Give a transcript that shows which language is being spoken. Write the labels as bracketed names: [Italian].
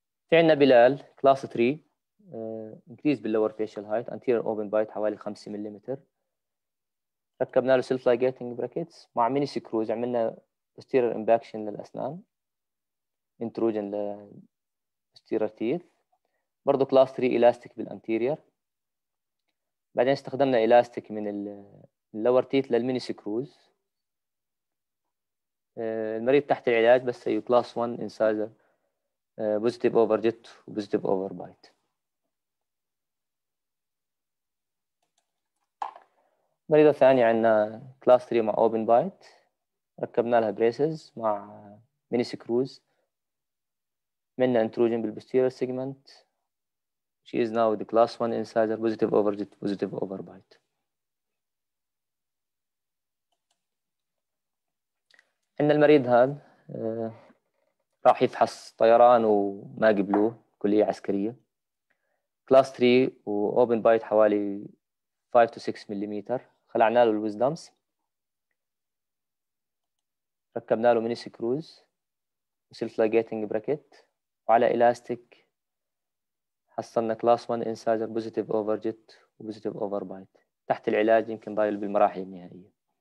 [Arabic] في عندنا بلال كلاس 3 انكريز باللور فيشل هايت انتيرير اوبن بايت حوالي 5 ملم، ركبنا له سيلف لاجيتنج براكتس مع ميني سكروز، عملنا بوستيرير امباكشن للاسنان انتروجن ل posterior teeth، برضو class 3 elastic بالanterior. بعدين استخدمنا elastic من ال lower teeth للميني سكروز. المريض تحت العلاج بس هي class 1 incisor positive over jet و positive over bite. مريضة ثانية عندنا class 3 مع open bite، ركبنا لها braces مع ميني سكروز، منا انتروجين بالبوستيريور سيجمنت. [English] She is now the class 1 incisor positive over jet positive over bite. [Arabic] عندنا المريض هذا راح يفحص طيران وما قبلوه كلية عسكرية، class 3 و open bite حوالي 5 to 6 مليمتر، خلعنا له الوزدمس، ركبنا له ميني سكروز وسيلف لاجيتنج براكت وعلى إلاستيك، حصلنا كلاس 1 انسايزر بوزيتيف اوفر جيت وبوزيتيف اوفر بايت، تحت العلاج يمكن ضايل بالمراحل النهائية.